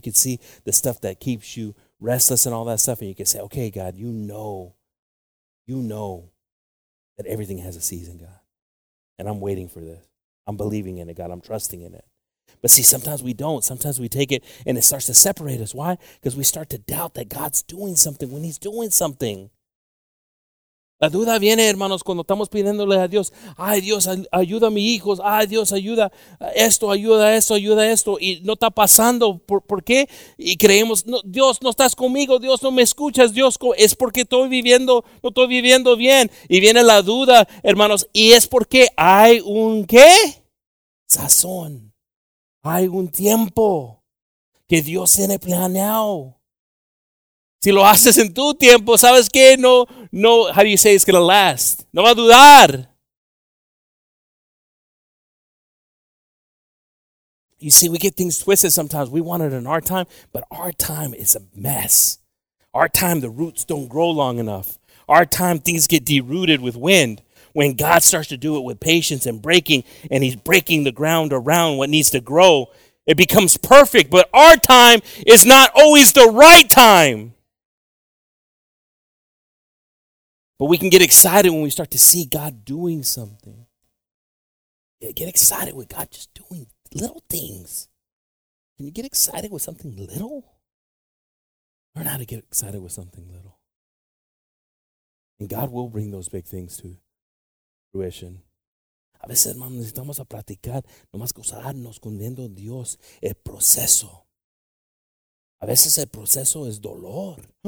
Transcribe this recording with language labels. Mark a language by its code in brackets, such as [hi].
[en] You can see the stuff that keeps you restless and all that stuff. And you can say, okay, God, you know that everything has a season, God. And I'm waiting for this. I'm believing in it, God. I'm trusting in it. But see, sometimes we don't. Sometimes we take it and it starts to separate us. Why? Because we start to doubt that God's doing something when he's doing something. [es] La duda viene, hermanos, cuando estamos pidiéndole a Dios, ay, Dios, ayuda a mis hijos, ay, Dios, ayuda esto, ayuda esto, ayuda esto, y no está pasando, ¿por qué? Y creemos, no, Dios, no estás conmigo, Dios, no me escuchas, Dios, es porque no estoy viviendo bien. Y viene la duda, hermanos, y es porque hay un ¿qué? Sazón, hay un tiempo que Dios tiene planeado. Si lo haces en tu tiempo, ¿sabes qué? [en] No, how do you say it's going to last? [es] No va a dudar. [en] You see, we get things twisted sometimes. We want it in our time, but our time is a mess. Our time, the roots don't grow long enough. Our time, things get derooted with wind. When God starts to do it with patience and breaking, and he's breaking the ground around what needs to grow, it becomes perfect. But our time is not always the right time. But we can get excited when we start to see God doing something. Get excited with God just doing little things. Can you get excited with something little? Learn how to get excited with something little. And God will bring those big things to fruition. [es] A veces, hermanos, necesitamos a practicar, nomás gozarnos con viendo Dios el proceso. A veces el proceso es dolor.